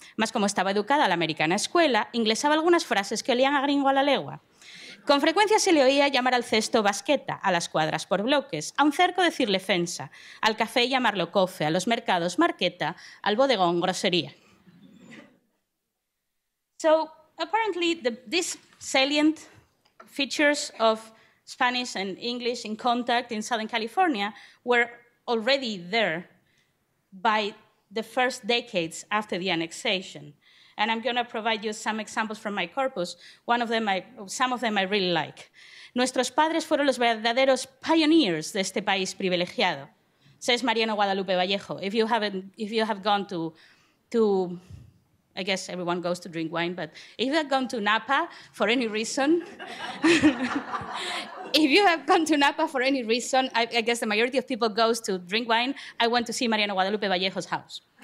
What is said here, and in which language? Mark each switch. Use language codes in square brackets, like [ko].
[es] Mas como estaba educada a la americana escuela, inglesaba algunas frases que olían a gringo a la legua. Con frecuencia se le oía llamar al cesto basqueta, a las cuadras por bloques, a un cerco decirle fensa, al café llamarlo cofe, a los mercados marqueta, al bodegón grosería. [en] So, apparently, these salient features of Spanish and English in contact in Southern California were already there by the first decades after the annexation. And I'm going to provide you some examples from my corpus. Some of them I really like. [es] Nuestros padres fueron los verdaderos [en] pioneers [es] de este país privilegiado, [en] says [es] Mariano Guadalupe Vallejo. [en] If you have gone to, I guess everyone goes to drink wine, but if you have gone to Napa for any reason, I guess the majority of people goes to drink wine. I went to see Mariano Guadalupe Vallejo's house.